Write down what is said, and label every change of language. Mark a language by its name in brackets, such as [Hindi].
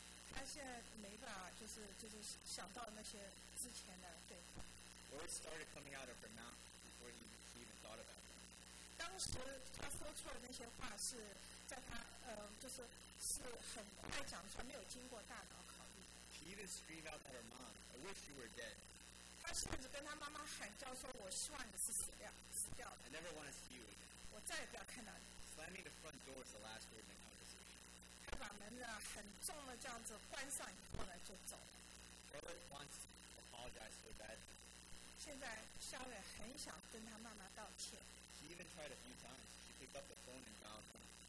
[Chinese] 他现在没办法，就是想到那些之前的对话。 [English] Words started coming out of her mouth before she even thought about it. [Chinese] 当时他说出的那些话是在他就是很快讲出来，没有经过大脑考虑。 [English] She even screamed out at her mom, "I wish you were dead." [Chinese] 他甚至跟他妈妈喊叫说：“我希望你是死掉，死掉。” [English] I never want to see you again. [Chinese] 我再也不要看到你。 [English] Slamming the front door is the last word in the conversation. [Chinese] 他把门呢很重的这样子关上以后呢就走了。 [English] Robert wants to apologize so bad. [Chinese] 现在Charlotte很想跟他妈妈道歉。 [English] She even tried a few times. She picked up the phone and dialed home.